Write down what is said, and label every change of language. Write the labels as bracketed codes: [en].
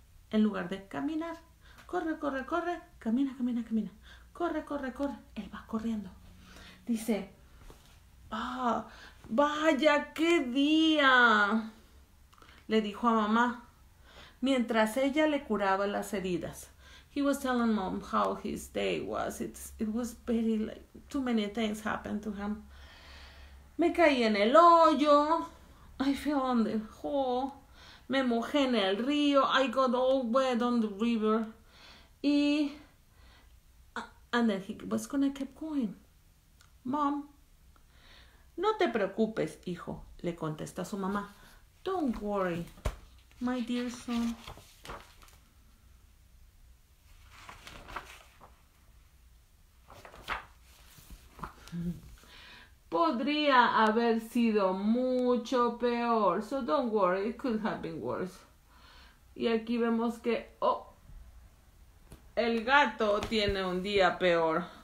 [es] En lugar de caminar. Corre, corre, corre. Camina, camina, camina. Corre, corre, corre. Él va corriendo. Dice, ah, oh, vaya, qué día. Le dijo a mamá, mientras ella le curaba las heridas. [en] He was telling mom how his day was. It was very, like, too many things happened to him. [es] Me caí en el hoyo. [en] I fell on the hole. [es] Me mojé en el río. [en] I got all wet on the river. Y, and then he was gonna keep going. [es] Mom, no te preocupes, hijo, le contesta su mamá. [en] Don't worry, my dear son. [es] Podría haber sido mucho peor. [en] So don't worry, it could have been worse. [es] Y aquí vemos que, oh, el gato tiene un día peor.